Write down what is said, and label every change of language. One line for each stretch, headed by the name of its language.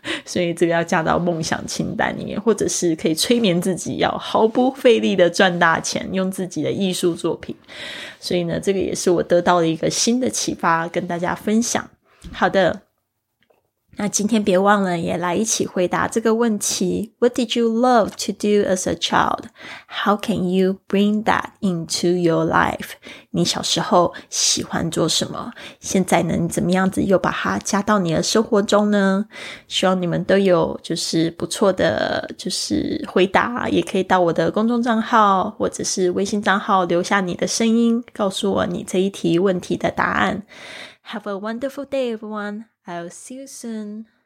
Chinese: 所以这个要加到梦想清单里面，或者是可以催眠自己要毫不费力的赚大钱，用自己的艺术作品。所以呢，这个也是我得到了一个新的启发跟大家分享。好的，那今天别忘了也来一起回答这个问题。
English: What did you love to do as a child? How can you bring that into your life?
Chinese: 你小时候喜欢做什么？现在呢，你怎么样子又把它加到你的生活中呢？希望你们都有就是不错的就是回答，也可以到我的公众账号或者是微信账号留下你的声音，告诉我你这一题问题的答案。
English: Have a wonderful day, everyone. I'll see you soon.